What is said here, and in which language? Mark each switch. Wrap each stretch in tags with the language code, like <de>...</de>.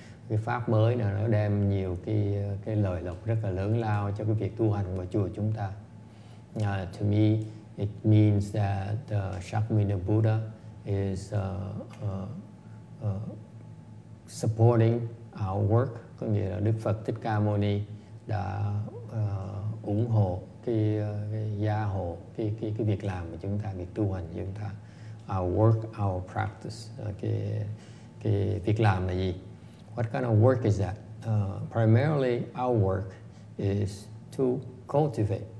<vi>Cái pháp mới này nó đem nhiều cái lợi lộc rất là lớn lao cho cái việc tu hành của chùa chúng ta.</vi> <en>To me, it means that Shakyamuni Buddha is supporting our work.</en> <vi>Có nghĩa là Đức Phật Thích Ca Mâu Ni đã ủng hộ cái gia hộ cái việc làm của chúng ta, việc tu hành của chúng ta.</vi> <en>Our work, our practice.</en> <vi>Cái việc làm là gì?</vi> <en>What kind of work is that? Primarily, our work is to cultivate.</en>